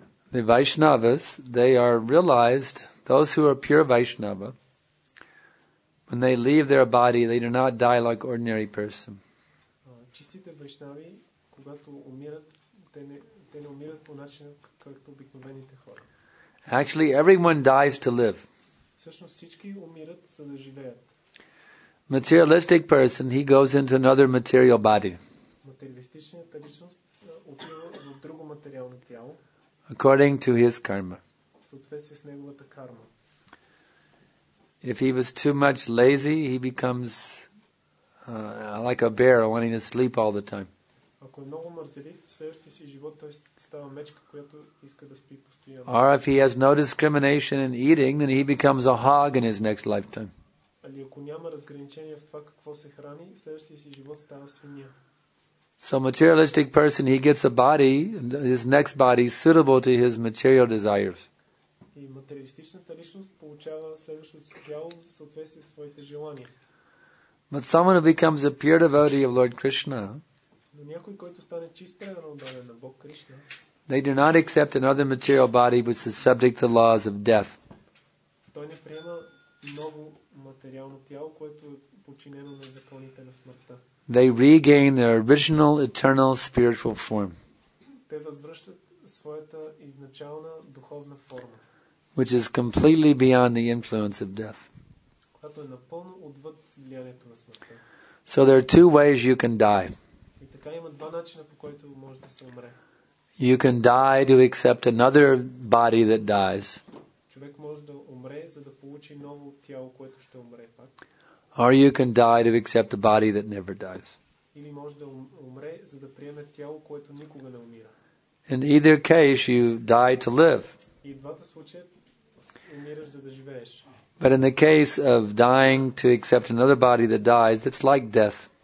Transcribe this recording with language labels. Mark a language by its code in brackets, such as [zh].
[en] The Vaishnavas, they are realized, those who are pure Vaishnava, when they leave their body, they do not die like ordinary person. [bg] Чистите Вайшнави, когато умират, те не умират по начин, както обикновените хора. [en] Actually, everyone dies to live. [bg] Всъщност всички умират, за да живеят. [en] Materialistic person, he goes into another material body. [bg] Материалистичният личност отива в друго материално тяло. [en] According to his karma. [bg] В съответствие с неговата карма. [en] If he was too much lazy, he becomes like a bear wanting to sleep all the time. [bg] Ако е много мързелив, в следващия си живот той става мечка, която иска да спи постоянно. [en] Or if he has no discrimination in eating, then he becomes a hog in his next lifetime. [bg] Или ако няма разграничение в това какво се храни, в следващия си живот става свиня. [en] So materialistic person, he gets a body, his next body, suitable to his material desires. [bg] И материалистичната личност получава следващото тяло в съответствие с своите желания. [en] But someone who becomes a pure devotee of Lord Krishna, [bg] но някой, който стане чист предан на Бог Кришна, [en] they do not accept another material body which is subject to laws of death. [bg] Той не приема ново материално тяло, което е подчинено на законите на смъртта. [en] they regain their original eternal spiritual form. [bg] Те възвръщат своята изначална духовна форма, [en] which is completely beyond the influence of death. [bg] Която е напълно отвъд влиянието на смъртта. [en] So there are two ways you can die. [bg] И така има два начина по които може да се умре. [en] You can die to accept another body that dies. [bg] Човек може да умре, за да получи ново тяло, което ще умре пак. [en] Or you can die to accept a body that never dies. [bg] Или може да умре, за да приеме тяло, което никога не умира. [en] In either case, you die to live. [bg] И в двата случая умираш, за да живееш. [en] But in the case of dying to accept another body that dies, it's like death.